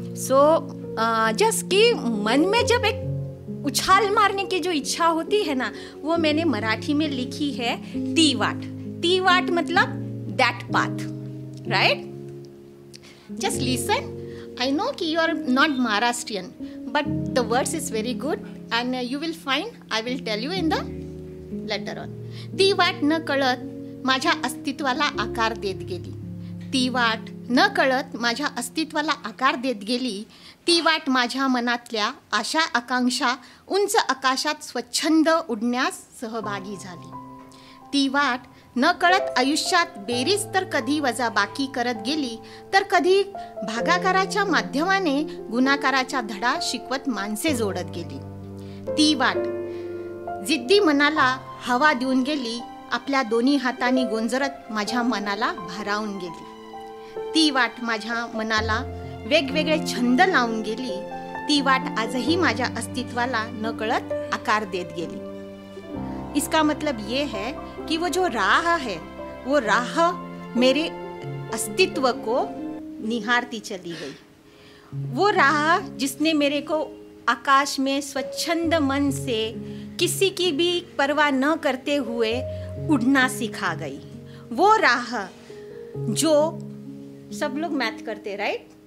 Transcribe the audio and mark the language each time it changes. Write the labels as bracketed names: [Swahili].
[English] so just [Hindi] कि मन में जब एक उछाल मारने की जो इच्छा होती है ना, वो मैंने मराठी में लिखी है [Marathi] ती वाट। ती वाट [Hindi] मतलब [English] That path, right? Just listen, I know कि you are not Maharashtrian, but the words is very good and you will find, I will tell you in the later on. [Marathi] ती वाट न कळत माझ्या अस्तित्वाला आकार देत गेली, ती वाट न कळत माझ्या अस्तित्वाला आकार देत गेली। ती वाट माझ्या मनातल्या आशा आकांक्षा उंच आकाशात स्वच्छंद उडण्यास सहभागी झाली। ती वाट न कळत आयुष्यात बेरीज तर कधी वजा बाकी करत गेली, तर कधी भागाकाराच्या माध्यमाने गुणाकाराचा धडा शिकवत माणसे जोडत गेली। ती वाट जिद्दी मनाला हवा देऊन गेली, आपल्या दोन्ही हातांनी गुंजरत माझ्या मनाला भारावून गेली। ती वाट माझ्या मनाला वेगवेगळे छंद लावून गेली, ती वाट आजही माझ्या अस्तित्वाला नकळत आकार देत गेली। [Hindi] इसका मतलब ये है कि वो जो राह है वो राह मेरे अस्तित्व को निहारती चली गई, वो राह जिसने मेरे को आकाश में स्वच्छंद मन से किसी की भी परवाह न करते हुए उड़ना सिखा गई, वो राह जो सब लोग मैथ करते, राइट,